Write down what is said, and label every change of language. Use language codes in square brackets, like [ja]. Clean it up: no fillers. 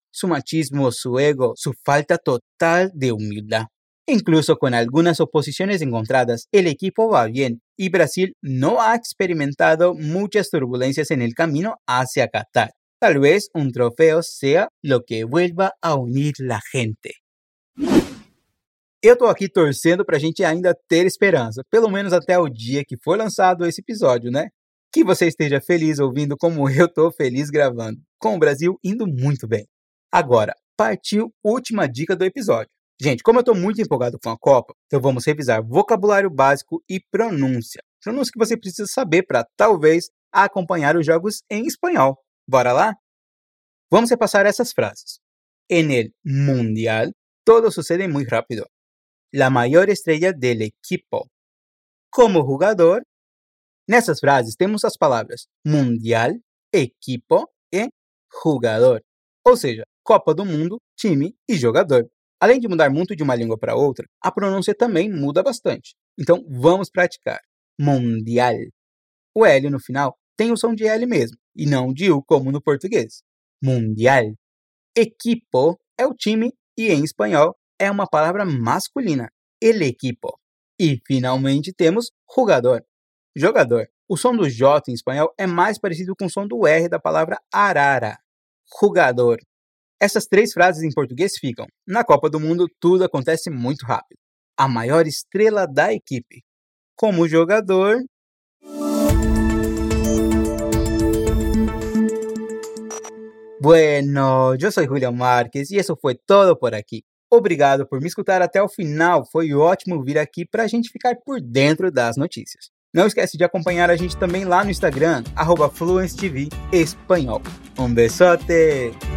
[es] Su machismo, su ego, su falta total de humildad. Incluso con algunas oposiciones encontradas, el equipo va bien y Brasil no ha experimentado muchas turbulencias en el camino hacia Qatar. Tal vez un trofeo sea lo que vuelva a unir la gente. [pt] Eu tô aqui torcendo pra gente ainda ter esperança, pelo menos até o dia que foi lançado esse episódio, né? Que você esteja feliz ouvindo como eu tô feliz gravando, com o Brasil indo muito bem. Agora, partiu última dica do episódio. Gente, como eu tô muito empolgado com a Copa, então vamos revisar vocabulário básico e pronúncia. Pronúncia que você precisa saber pra, talvez, acompanhar os jogos em espanhol. Bora lá? Vamos repassar essas frases. [es] En el Mundial, todo sucede muy rápido. La mayor estrella del equipo. Como jugador. [pt] Nessas frases temos as palavras mundial, equipo e jogador. Ou seja, Copa do Mundo, time e jogador. Além de mudar muito de uma língua para outra, a pronúncia também muda bastante. Então vamos praticar. Mundial. O L no final tem o som de L mesmo, e não de U como no português. Mundial. Equipo é o time e em espanhol é uma palavra masculina, el equipo. E, finalmente, temos jugador, jogador. O som do J em espanhol é mais parecido com o som do R da palavra arara, jugador. Essas três frases em português ficam. Na Copa do Mundo, tudo acontece muito rápido. A maior estrela da equipe. Como jogador... [es] Bueno, yo soy Julio Márquez y eso fue todo por aquí. [pt] Obrigado por me escutar até o final, foi ótimo vir aqui para a gente ficar por dentro das notícias. Não esquece de acompanhar a gente também lá no Instagram, @fluencetvespanhol. Um besote!